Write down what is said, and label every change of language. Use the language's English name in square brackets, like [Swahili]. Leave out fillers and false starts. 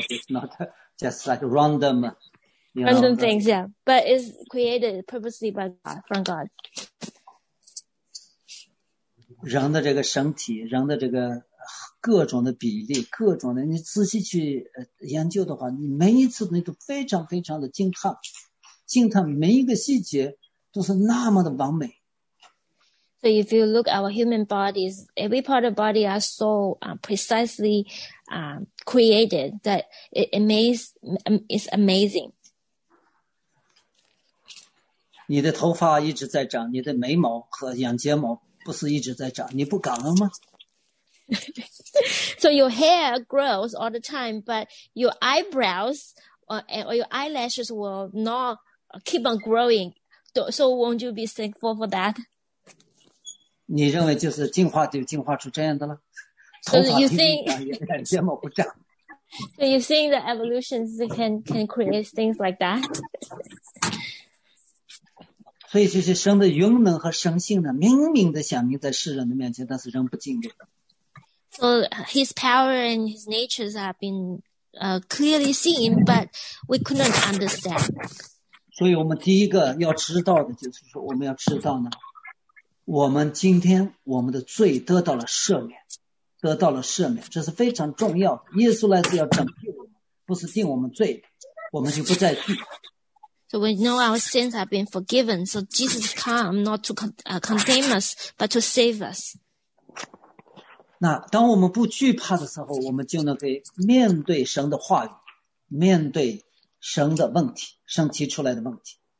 [English] It's not just like random, you random know, things, yeah. But it's created purposely by God, from God. [Chinese] 人的这个身体，人的这个各种的比例，各种的，你仔细去研究的话，你每一次你都非常非常的惊叹，惊叹每一个细节都是那么的完美。 [English] So if you look at our human bodies, every part of the body are so precisely created that it's amazing. [Chinese] 你的头发一直在长，你的眉毛和眼睫毛不是一直在长，你不感恩吗？ [English] So your hair grows all the time, but your eyebrows or your eyelashes will not keep on growing. So won't you be thankful for that? [Chinese] 你认为就是进化就进化出这样的了？头发不长，眼睫毛不长。 [English] So you think the evolution can create things like that? [Chinese] 所以这些神的勇能和神性呢，明明的显明在世人的面前，但是人不敬畏。 [English] So his power and his natures have been clearly seen, but we couldn't understand. [Chinese] 所以我们第一个要知道的就是说，我们要知道呢。我们今天我们的罪得到了赦免，得到了赦免，这是非常重要的。耶稣来是要拯救我们，不是定我们罪，我们就不再罪。 [English] So we know our sins have been forgiven. So Jesus come not to condemn us, but to save us. [Chinese] 那当我们不惧怕的时候，我们就能够面对神的话语，面对神的问题，神提出来的问题。